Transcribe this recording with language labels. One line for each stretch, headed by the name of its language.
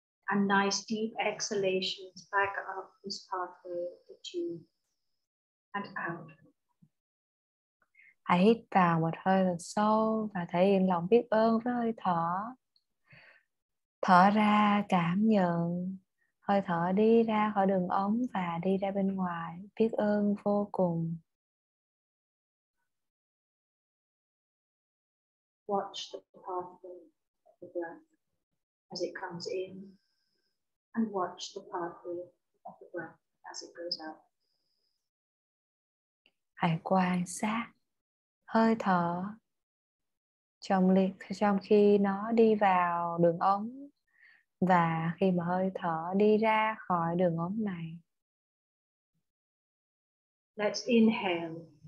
English: And nice deep exhalations back up this pathway of the tube and out.
Vietnamese: Hãy hít vào một hơi thật sâu và thể hiện lòng biết ơn với hơi thở. Thở ra, cảm nhận hơi thở đi ra khỏi đường ống và đi ra bên ngoài, biết ơn vô cùng.
English: Watch the pathway of the breath as it comes in and watch the pathway of the breath as it goes out.
Vietnamese: Hãy quan sát hơi thở trong khi nó đi vào đường ống và khi mà hơi thở đi ra khỏi đường ống này.
English: Let's inhale.